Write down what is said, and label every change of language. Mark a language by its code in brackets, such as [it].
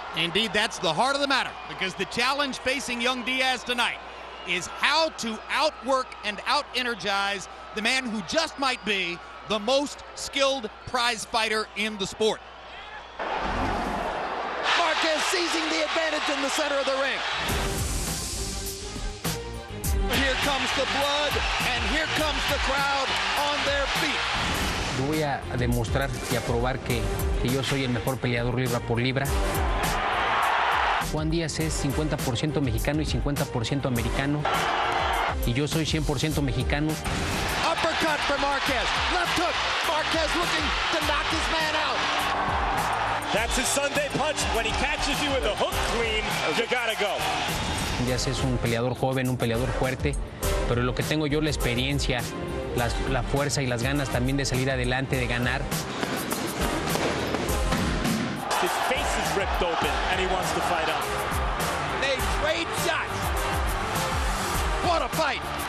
[en] Indeed, that's the heart of the matter, because the challenge facing young Diaz tonight is how to outwork and out-energize the man who just might be the most skilled prize fighter in the sport. Marquez seizing the advantage in the center of the ring. Here comes the blood, and here comes the crowd on their feet. [es] Yo voy a demostrar y a probar que yo soy el mejor peleador libra por libra. Juan Diaz es 50% mexicano y 50% americano. Y yo soy 100% mexicano. [en] Uppercut for Marquez. Left hook. Marquez looking to knock his man out. That's his Sunday punch. When he catches you with a hook clean, you gotta go. [es] Diaz es un peleador joven, un peleador fuerte. Pero lo que tengo yo, la experiencia, la fuerza y las ganas también de salir adelante, de ganar. [en] His face is ripped open and he wants to fight up. They trade shots. What a fight.